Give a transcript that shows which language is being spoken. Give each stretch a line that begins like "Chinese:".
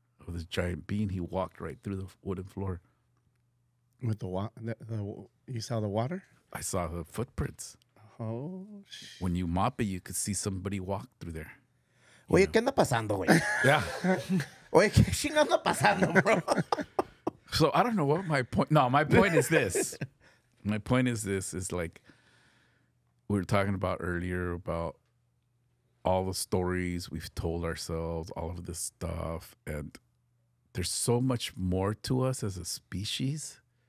English: With this giant being, he walked right through the wooden floor. With you saw the water? I saw the footprints. Oh, when you mop it, you could see somebody walk through there.
Spanish: Oye, know? ¿Qué anda pasando, güey?
English: Yeah.
Spanish: Oye, ¿qué chingo anda pasando, bro?
English: So I don't know what my point. No, my point is this. My point is this. Is like we were talking about earlier about all the stories we've told ourselves, all of this stuff, and there's so much more to us as a species.